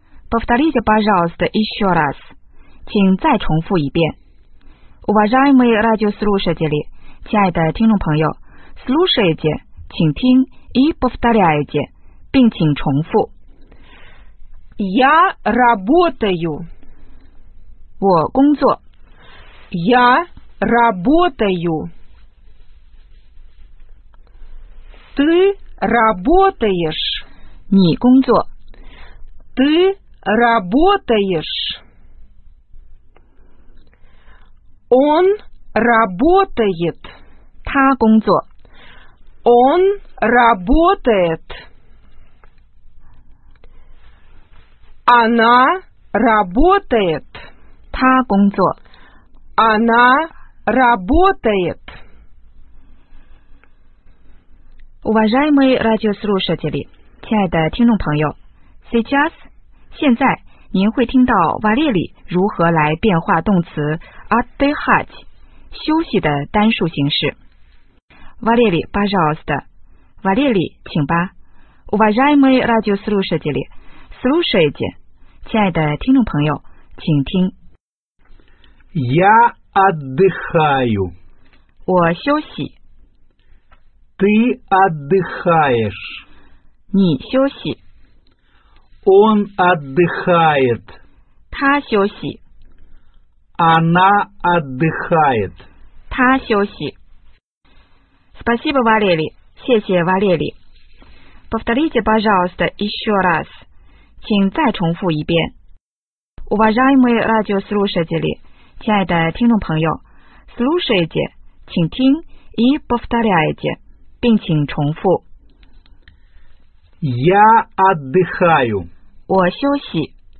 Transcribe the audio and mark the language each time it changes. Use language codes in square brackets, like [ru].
[ru] Повторите, пожалуйста, еще раз. [zh] 请再重复一遍. [ru] Уважаемые радиослушатели, [zh] 亲爱的听众朋友, [ru] слушайте, [zh] 请听, [ru] и повторяйте, [zh] 并请重复. [ru] Я работаю. [zh] 我工作. [ru] Я работаю. Ты работаешь. [zh] 你工作。 [ru] Ты работаешь. Он работает. [zh] 他工作。 [ru] Он работает. Она работает. [zh] 他工作。 [ru] Она работает. Уважаемые радиослушатели. [zh] 亲爱的听众朋友 ， [ru] сейчас， [zh] 现在您会听到瓦列里如何来变化动词 отдыхать 休息的单数形式。瓦列里 [ru] пожалуйста， [zh] 瓦列里请吧。 [ru] Уважаемые радиослушатели， слушайте， [zh] 亲爱的听众朋友，请听。 [ru] Я отдыхаю， [zh] 我休息。 [ru] Ты отдыхаешь。 [zh] 你休息。 [ru] Он отдыхает. [zh] 他休息。 [ru] Она отдыхает. [zh] 他休息。 [ru] Спасибо, Валерий. [zh] 谢谢 Валерий. [ru] Повторите, пожалуйста, еще раз. [zh] 请再重复一遍。 [ru] Уважаемые радиослушатели, [zh] 亲爱的听众朋友 [ru] слушайте, [zh] 请听 [ru] и повторяйте, [zh] 并请重复。 [ru] Я отдыхаю. [zh] 我休息。